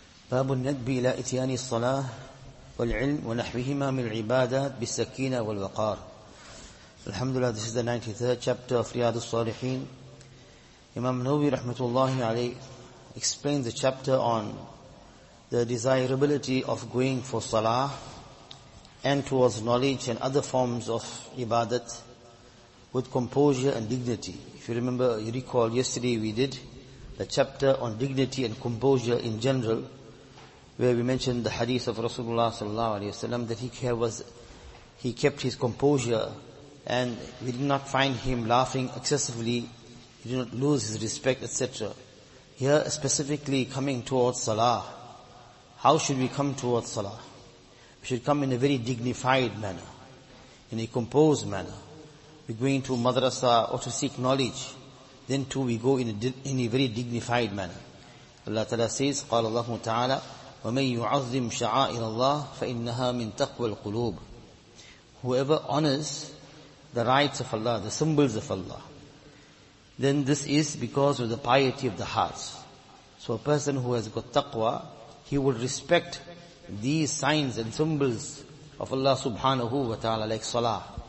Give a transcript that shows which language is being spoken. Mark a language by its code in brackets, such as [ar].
[ar] باب الندب إلى إتيان الصلاة والعلم ونحوهما من العبادات بالسكينة والوقار. الحمد لله. [en] This is the 93rd chapter of Riyad al-Salihin. Imam Nawawi rahmatullahi alayhi explained the chapter on the desirability of going for salah and towards knowledge and other forms of ibadat with composure and dignity. If you remember, you recall yesterday we did a chapter on dignity and composure in general, where we mentioned the hadith of Rasulullah sallallahu alayhi wa sallam, that he kept his composure, and we did not find him laughing excessively, he did not lose his respect, etc. Here, specifically coming towards salah, how should we come towards salah? We should come in a very dignified manner, in a composed manner. We're going to madrasa or to seek knowledge. Then too, we go in a very dignified manner. Allah Ta'ala says, [ar] قَالَ اللَّهُ تَعَالَى وَمَنْ يُعَظِّمْ شَعَائِرَ اللَّهِ فَإِنَّهَا مِنْ تَقْوَى الْقُلُوبِ. [en] Whoever honors the rites of Allah, the symbols of Allah, then this is because of the piety of the hearts. So a person who has got taqwa, he will respect these signs and symbols of Allah Subhanahu wa Ta'ala, like salah.